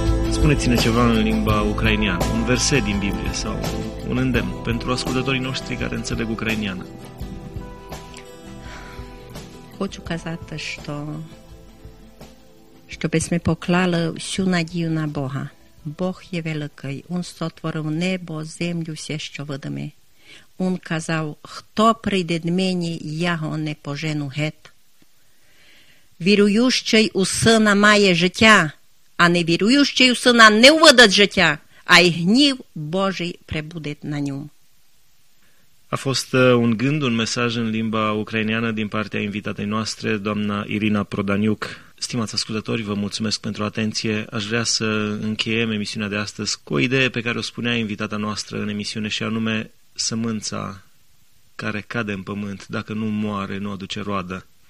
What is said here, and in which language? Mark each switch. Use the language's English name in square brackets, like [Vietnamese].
[Romanian] Spuneți-ne ceva în limba ucraineană, un verset din Biblie sau un îndemn pentru ascultătorii noștri care înțeleg ucraineană. [Ukrainian] Хочу казати, що щобесь ми поклали всю надію на Бога. Бог є великий, Він створив небо, землю, все, що видиме. Він казав: "Хто прийде до мене, я його не пожену гет". Віруючий у Сина має життя. А невіруючий у сина не увидать життя, а й гнів Божий прибуде на ньому. [Romanian] A fost un gând, un mesaj în limba ucraineană din partea invitatei noastre, doamna Irina Prodaniuc. Stimați ascultători, vă mulțumesc pentru atenție. Aș vrea să încheiem emisiunea de astăzi cu o idee pe care o spunea invitata noastră în emisiune, și anume sămânța care cade în pământ, dacă nu moare, nu aduce roadă.